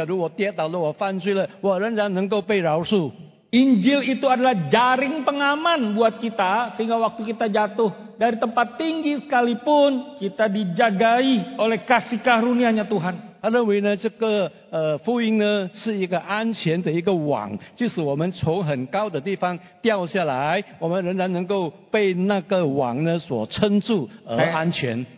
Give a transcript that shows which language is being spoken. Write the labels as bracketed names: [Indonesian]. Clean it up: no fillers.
[Chinese] 他懂得福音，他认为相信耶稣。假如我跌倒了，我犯罪了，我仍然能够被饶恕。 [Indonesian] Injil itu adalah jaring pengaman buat kita sehingga waktu kita jatuh dari tempat tinggi sekalipun kita dijagai oleh kasih karunia-Nya Tuhan. [Chinese] 他认为呢，这个福音呢是一个安全的一个网，即使我们从很高的地方掉下来，我们仍然能够被那个网呢所撑住而安全。